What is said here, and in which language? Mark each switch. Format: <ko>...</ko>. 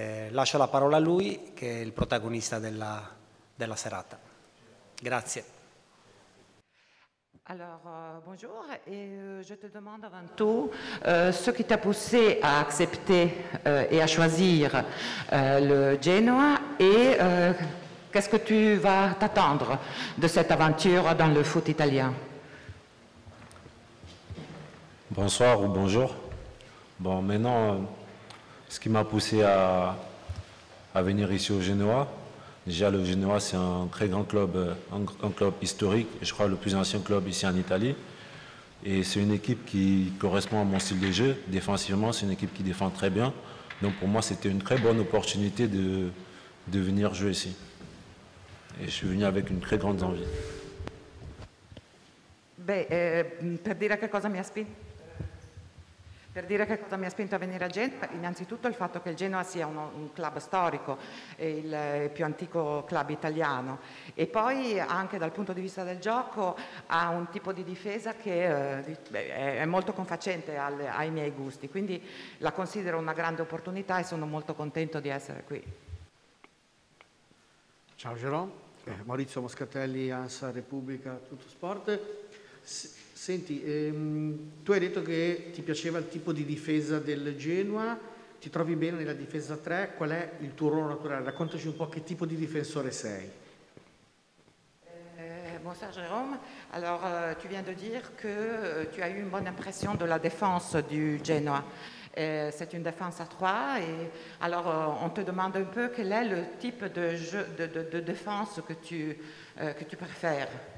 <it>Lascio la parola a lui, che è il protagonista della serata. Grazie.</it> <fr>Alors, bonjour, et je te demande avant tout ce qui t'a poussé à accepter et à choisir le Genoa et qu'est-ce que tu vas t'attendre de cette aventure dans le foot italien? Bonsoir ou bonjour. Bon, maintenant, ce qui m'a poussé à venir ici au Genoa, déjà le Genoa c'est un très grand club, un club historique, je crois le plus ancien club ici en Italie. Et c'est une équipe qui correspond à mon style de jeu. Défensivement, c'est une équipe qui défend très bien. Donc pour moi, c'était une très bonne opportunité de venir jouer ici. Et je suis venu avec une très grande envie.</fr> <it>Beh, per dire che cosa mi ha spinto a venire a Genova, innanzitutto il fatto che il Genoa sia un club storico, il più antico club italiano, e poi anche dal punto di vista del gioco ha un tipo di difesa che è molto confacente ai miei gusti, quindi la considero una grande opportunità e sono molto contento di essere qui. Ciao Gerò. Maurizio Moscatelli, ANSA Repubblica Tuttosport. Senti, tu hai detto che ti piaceva il tipo di difesa del Genoa, ti trovi bene nella difesa 3, qual è il tuo ruolo naturale? Raccontaci un po' che tipo di difensore sei.</it> <fr>Bonsoir Jérôme. Alors, tu viens de dire que tu as eu une bonne impression de la défense du Genoa. C'est une défense à 3. Et alors, on te demande un peu quel est le type de défense que tu préfères.</fr>